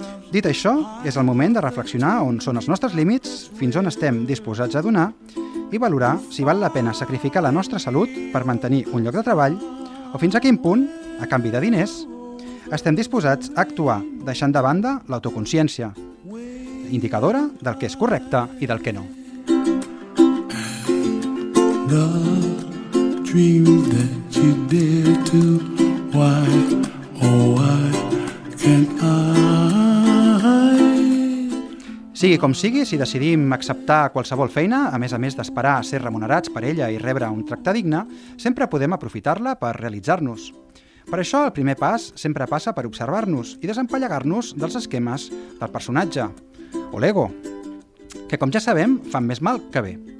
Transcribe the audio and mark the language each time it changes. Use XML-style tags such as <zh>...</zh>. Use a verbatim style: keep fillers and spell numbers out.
<ca>Dit això, és el moment de reflexionar on són els nostres límits, fins on estem disposats a donar i valorar si val la pena sacrificar la nostra salut per mantenir un lloc de treball o fins a quin punt, a canvi de diners, estem disposats a actuar deixant de banda l'autoconsciència, indicadora del que és correcte i del que no.</ca> <en>The dream that you dare to, why, oh why can't I?</en> <ca>Sigui com sigui, si decidim acceptar qualsevol feina, a més a més d'esperar a ser remunerats per ella i rebre un tracte digne, sempre podem aprofitar-la per realitzar-nos. Per això, el primer pas sempre passa per observar-nos i desempallegar-nos dels esquemes del personatge, o l'ego, que, com ja sabem, fan més mal que bé.</ca>